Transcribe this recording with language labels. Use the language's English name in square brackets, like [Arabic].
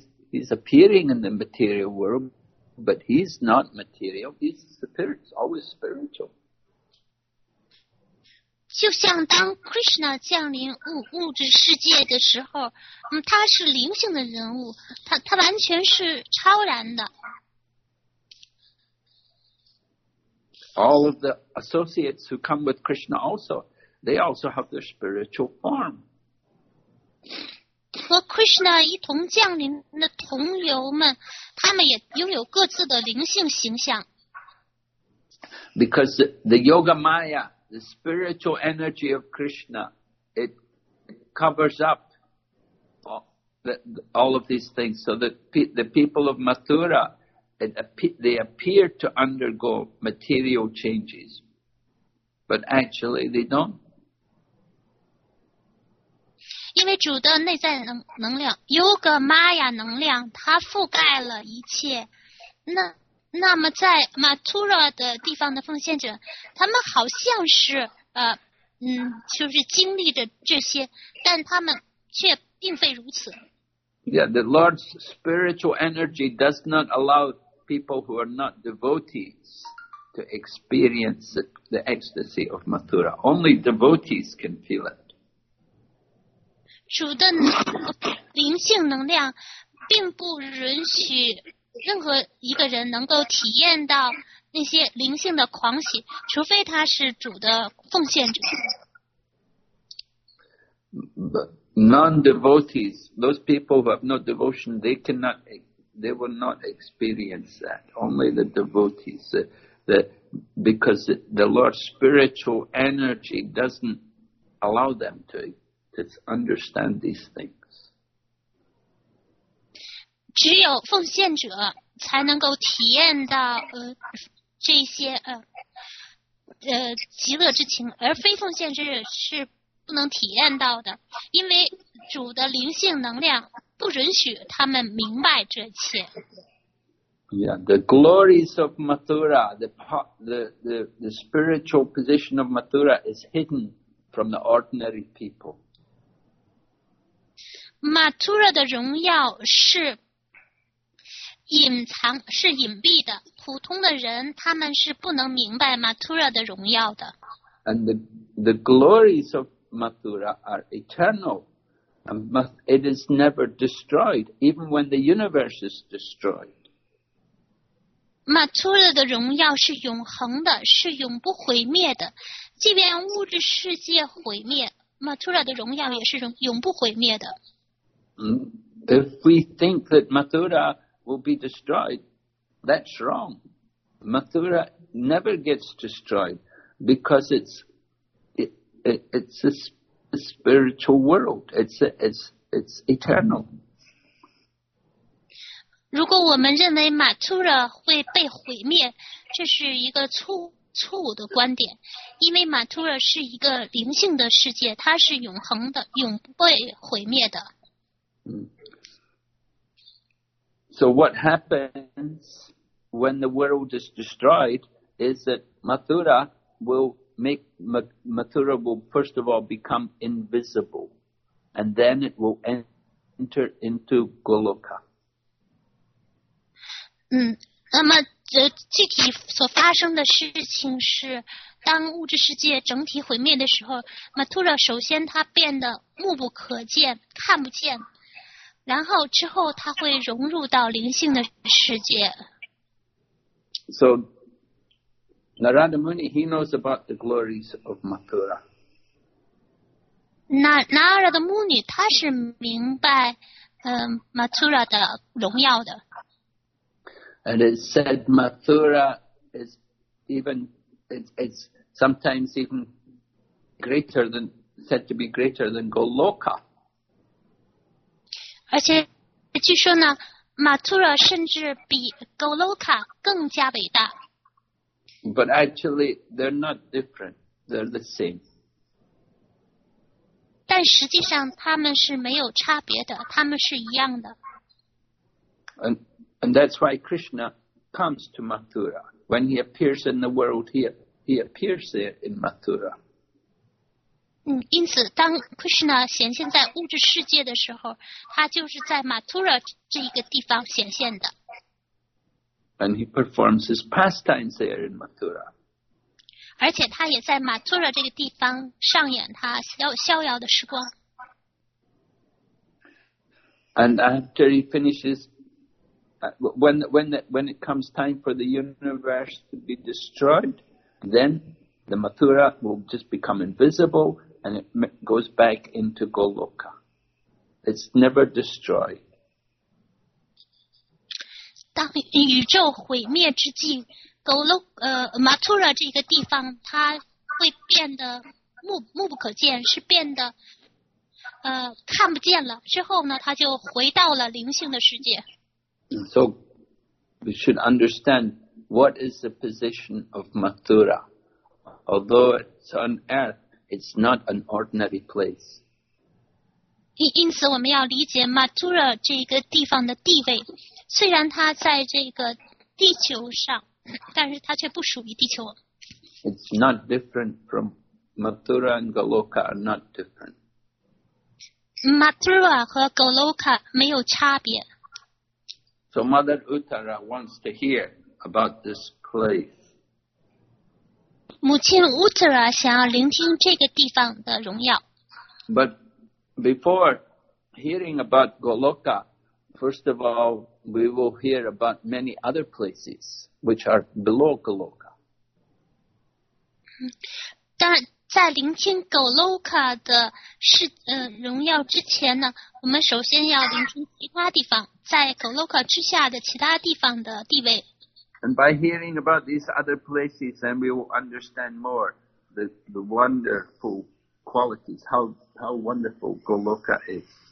[English] He's appearing in the material world, but he's not material. He's spirit, always spiritual. [Chinese] 就像当 Krishna 降临物质世界的时候，他是灵性的人物，他完全是超然的。 [English] All of the associates who come with Krishna also, they also have their spiritual form. [Chinese] 和 Krishna 一同降临的同游们，他们也拥有各自的灵性形象。 [English] Because the yoga maya. The spiritual energy of Krishna, it covers up all of these things. So the people of Mathura, they appear to undergo material changes. But actually, they don't. [Chinese] 因为主的内在能量 Yoga Maya 能量它覆盖了一切那么在 Mathura 的地方的奉献者他们好像是就是经历着这些但他们却并非如此。 [English] Yeah, the Lord's spiritual energy does not allow people who are not devotees to experience it, the ecstasy of Mathura. Only devotees can feel it. [Chinese] 主的灵性能量并不允许任何一个人能够体验到那些灵性的狂喜，除非他是主的奉献者。 [English] Non-devotees, those people who have no devotion, they will not experience that. Only the devotees, because the Lord's spiritual energy doesn't allow them to understand these things. [Chinese] 只有奉献者才能够体验到这些极乐之情，而非奉献者是不能体验到的，因为主的灵性能量不允许他们明白这切。 [English] Yeah, the glories of Mathura, the spiritual position of Mathura is hidden from the ordinary people. [Chinese] Mathura 的荣耀是隐藏，是隐蔽的，普通的人他们是不能明白 Mathura 的荣耀的。 [English] And the glories of Mathura are eternal, and it is never destroyed, even when the universe is destroyed. [Chinese] Mathura 的荣耀是永恒的，是永不毁灭的，即便物质世界毁灭， Mathura 的荣耀也是永不毁灭的。 [English] If we think that Mathura will be destroyed, that's wrong. Mathura never gets destroyed because it's a spiritual world. It's eternal. [Chinese] 如果我们认为 Mathura 会被毁灭，这是一个错误的观点，因为 Mathura 是一个灵性的世界，它是永恒的，永不被毁灭的。 [English] So what happens when the world is destroyed is that Mathura will make Mathura will first of all become invisible, and then it will enter into Goloka. [Chinese] 那么具体所发生的事情是，当物质世界整体毁灭的时候， Mathura 首先它变得目不可见，看不见，然后之后它会融入到灵性的世界。 [English] So,Narada Muni, he knows about the glories of Mathura. [Chinese] Narada Muni, 他是明白Mathura 的荣耀的。 [English] And it's said Mathura is even, it's sometimes even greater than, said to be greater than Goloka. [Chinese] 而且据说呢， Mathura 甚至比 Goloka 更加伟大。 [English] But actually, they're not different. They're the same. [Chinese] 但实际上他们是没有差别的，他们是一样的。 [English] And that's why Krishna comes to Mathura. When he appears in the world, he appears there in Mathura. [Chinese] 因此当 Krishna 显现在物质世界的时候，他就是在 Mathura 这一个地方显现的。 [English] And he performs his pastimes there in Mathura. [Chinese] 而且他也在 Mathura 这个地方上演他逍遥的时光。 [English] And after he finishes, when it comes time for the universe to be destroyed, then the Mathura will just become invisible and it goes back into Goloka. It's never destroyed. [Chinese] 当宇宙毁灭之际， Mathura 这个地方它会变得 目不可见，是变得看不见了，之后呢它就回到了灵性的世界。 [English] So we should understand what is the position of Mathura. Although it's on earth, it's not an ordinary place. [Chinese] 因此我们要理解 Mathura 这个地方的地位，虽然它在这个地球上，但是它却不属于地球。 [English] It's not different from Mathura and Goloka are not different. [Chinese] Mathura 和 Goloka 没有差别。 [English] So Mother Uttara wants to hear about this place. [Chinese] 母亲 Uttara 想要聆听这个地方的荣耀。 [English] But before hearing about Goloka, first of all, we will hear about many other places which are below Goloka. [Chinese] 但在聆听 Goloka 的是荣耀之前呢，我们首先要聆听其他地方，在 Goloka 之下的其他地方的地位。 [English] And by hearing about these other places, then we will understand more the wonderful qualities, how wonderful Goloka is.